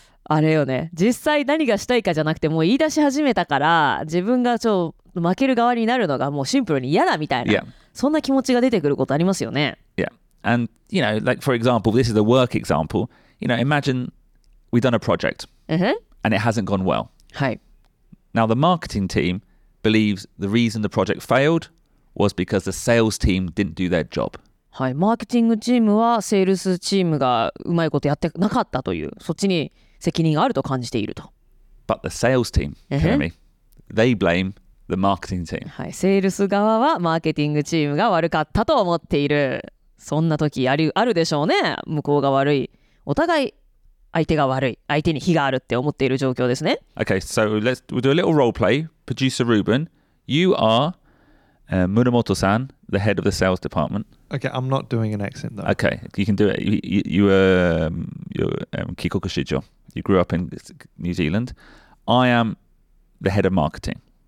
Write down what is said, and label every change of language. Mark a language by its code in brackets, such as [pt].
[ja] あれよね、実際何がしたいかじゃなくてもう言い出し始めたから自分がちょ負ける側になるのがもうシンプルに嫌だみたいな、 [en] yeah. [ja] そんな気持ちが出てくることありますよね。 [en] Yeah, and you know, like for example, this is a work example. You know, imagine we've done a project、 uh-huh. and it hasn't gone well. [ja] はい。 [en] Now the marketing team believes the reason the project failed was because the sales team didn't do their job. [ja] はい、マーケティングチームはセールスチームがうまいことやってなかったという、そっちに責任があると感じていると。 [en] But the sales team, Jeremy, they blame the marketing team. [ja] はい、セールス側はマーケティングチームが悪かったと思っている。そんな時あるでしょうね。向こうが悪い。お互い相手が悪い。相手に非があるって思っている状況ですね。 [en] Okay, so we'll do a little role play. Producer Ruben, you are Munemoto-san, the head of the sales department. Okay, I'm not doing an accent though. Okay, you can do it. You're Kikoku Shijo. You grew up in New Zealand. I am the head of marketing.